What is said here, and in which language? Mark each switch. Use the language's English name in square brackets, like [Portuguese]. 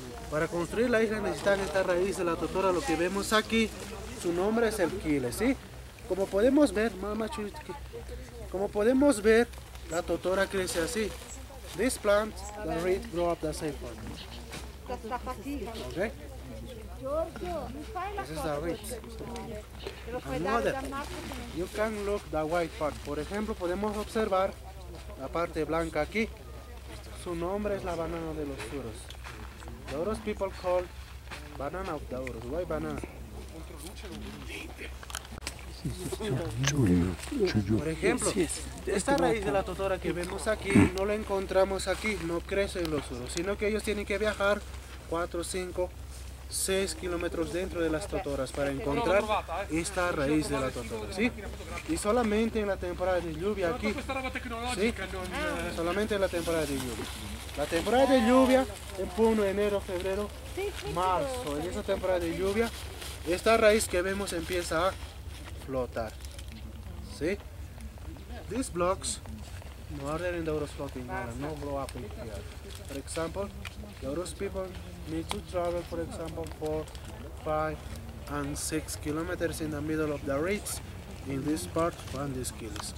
[Spanish] Para construir la isla necesitan esta raíz de la totora, lo que vemos aquí, su nombre es el quile, ¿sí? Como podemos ver, mamá, como podemos ver, la totora crece así. [English] This plant, the reed grow up the same for me. Okay? This is the reed. Another, you can look the white part. [Spanish] Por ejemplo, podemos observar la parte blanca aquí. Su nombre es la banana de los Touros. [English] The Touros people call banana of the Touros. Why banana? [Spanish] Por ejemplo, esta raíz de la totora que vemos aquí, no la encontramos aquí, no crece en los Touros, sino que ellos tienen que viajar 4, 5, 6 kilómetros dentro de las totoras para encontrar esta raíz de la totora, ¿sí? Y solamente en la temporada de lluvia aquí, ¿sí? Solamente en la temporada de lluvia. La temporada de lluvia, en Puno, enero, febrero, marzo, en esa temporada de lluvia, esta raíz que vemos empieza a flotar. ¿Sí? [English] These blocks, no order in the Touros floating, no grow up in here. For example, the Touros people need to travel, for example, 4, 5, and 6 kilometers in the middle of the reeds, in this part, and these kills.